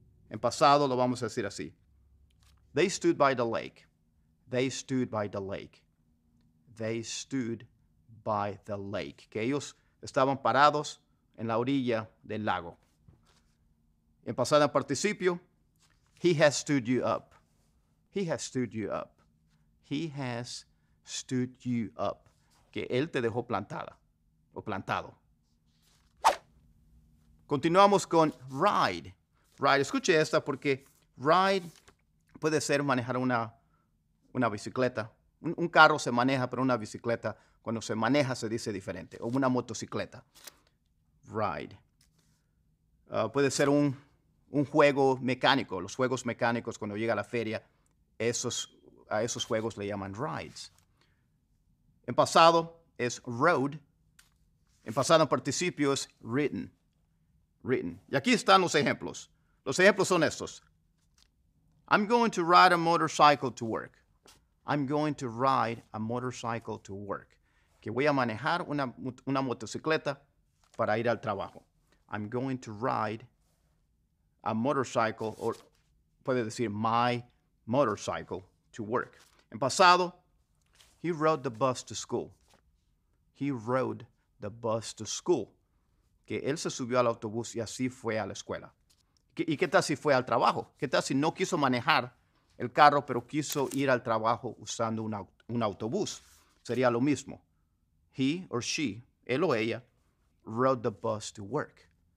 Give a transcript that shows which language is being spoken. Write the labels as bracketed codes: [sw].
[es] En pasado lo vamos a decir así. [en] They stood by the lake. They stood by the lake. They stood by the lake. [es] Que ellos estaban parados en la orilla del lago. En pasado participio, [en] he has stood you up. He has stood you up. He has stood you up. [es] Que él te dejó plantada o plantado. Continuamos con ride. Ride, escuche esta porque ride puede ser manejar una bicicleta. Un carro se maneja, pero una bicicleta, cuando se maneja, se dice diferente. O una motocicleta. Ride. Puede ser un juego mecánico. Los juegos mecánicos, cuando llega a la feria, a esos juegos le llaman rides. En pasado es rode. En pasado en participio es written. Written. Y aquí están los ejemplos. Los ejemplos son estos. [en] I'm going to ride a motorcycle to work. I'm going to ride a motorcycle to work. [es] Que voy a manejar una motocicleta para ir al trabajo. [en] I'm going to ride a motorcycle, [es] o puede decir [en] my motorcycle, to work. [es] En pasado, [en] he rode the bus to school. He rode the bus to school. [es] Que él se subió al autobús y así fue a la escuela. ¿Y qué tal si fue al trabajo? ¿Qué tal si no quiso manejar el carro, pero quiso ir al trabajo usando un autobús? Sería lo mismo. [en] He or she, [es] él o ella, [en] rode the bus to work.